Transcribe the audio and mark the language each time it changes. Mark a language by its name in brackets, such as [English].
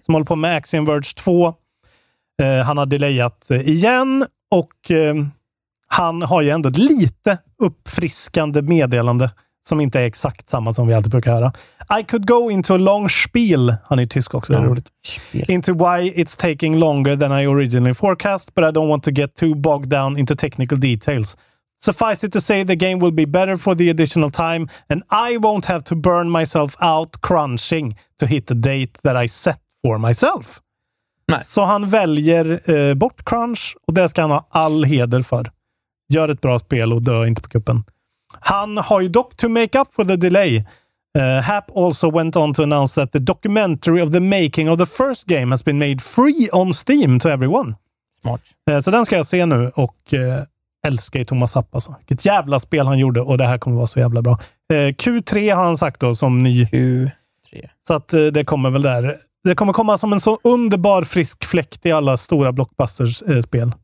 [Swedish] Som håller på med Axiom Verge 2. Han har delayat igen. Och han har ju ändå lite uppfriskande meddelande. Som inte är exakt samma som vi alltid brukar höra. [English] I could go into a long spiel. [Swedish] Han är tysk också, det är roligt. [English] Spiel. Into why it's taking longer than I originally forecast, but I don't want to get too bogged down into technical details. Suffice it to say, the game will be better for the additional time, and I won't have to burn myself out crunching to hit the date that I set for myself. [Swedish] Nej. Så han väljer bort crunch, och det ska han ha all heder för. Gör ett bra spel och dö inte på kuppen. Han har ju dock [English] to make up for the delay. Happ also went on to announce that the documentary of the making of the first game has been made free on Steam to everyone. [Swedish] Smart. Så den ska jag se nu och älskar ju Thomas Happ. Alltså. Vilket jävla spel han gjorde och det här kommer vara så jävla bra. Q3 har han sagt då som ny. Q3. Så att det kommer väl där. Det kommer komma som en så underbar frisk fläkt i alla stora blockbusters-spel.